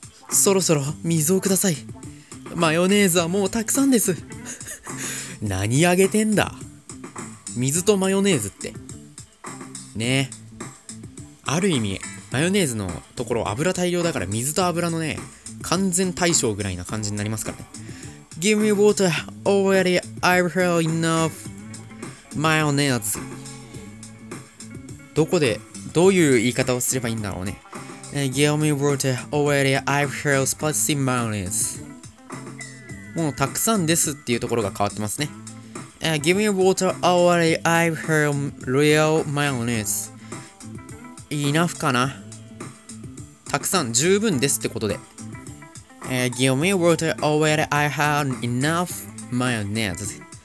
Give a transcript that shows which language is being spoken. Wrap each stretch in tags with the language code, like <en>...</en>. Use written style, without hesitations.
<ja>そろそろ水をください。マヨネーズはもうたくさんです。何あげてんだ、水とマヨネーズってね。ある意味マヨネーズのところ油大量だから、水と油のね完全対象ぐらいな感じになりますからね。</ja> <en>Give me water already, I've had enough mayonnaise.</en> <ja>どこでどういう言い方をすればいいんだろうね。</ja> <en>Give me water already, I've had spicy mayonnaise.</en> <ja>もうたくさんですっていうところが変わってますね。</ja> <en>Give me water already, I've heard real mayonnaise.</en> <ja>Enough かな？たくさん、十分ですってことで。</ja> <en>Give me water already, I have enough mayonnaise.</en>